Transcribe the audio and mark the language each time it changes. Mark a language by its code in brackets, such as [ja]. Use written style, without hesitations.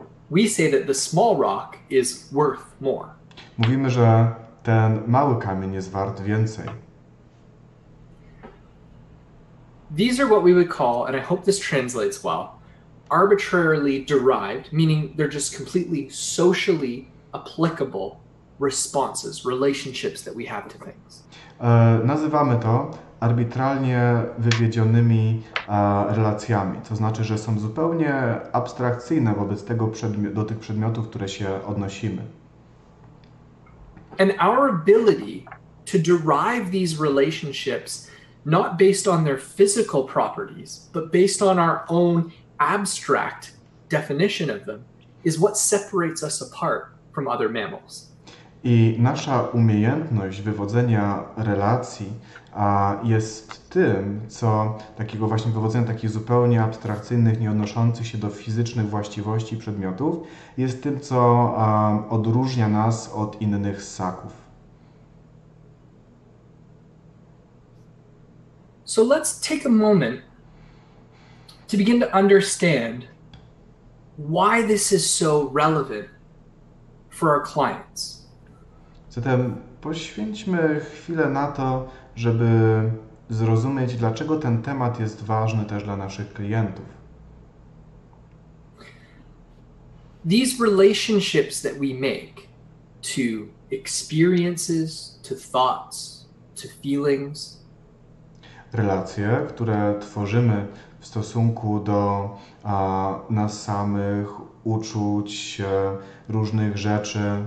[en] We say that the small rock is worth more. [pl] Mówimy, że ten mały kamień jest wart więcej. [en] These are what we would call, and I hope this translates well, arbitrarily derived, meaning they're just completely socially applicable responses, relationships that we have to things. [pl] Nazywamy to arbitralnie wywiedzionymi relacjami, co znaczy, że są zupełnie abstrakcyjne wobec tego do tych przedmiotów, które się odnosimy. [en] And our ability to derive these relationships not based on their physical properties, but based on our own abstract definition of them is what separates us apart from other mammals. [pl] I nasza umiejętność wywodzenia relacji jest tym, co takiego właśnie wywodzenia takich zupełnie abstrakcyjnych, nie odnoszących się do fizycznych właściwości przedmiotów, jest tym, co odróżnia nas od innych ssaków. [en] So let's take a moment to begin to understand why this is so relevant for our clients. [pl] Zatem poświęćmy chwilę na to, żeby zrozumieć, dlaczego ten temat jest ważny też dla naszych klientów. [en] These relationships that we make to experiences, to thoughts, to feelings. [pl] Relacje, które tworzymy w stosunku do nas samych, uczuć, różnych rzeczy.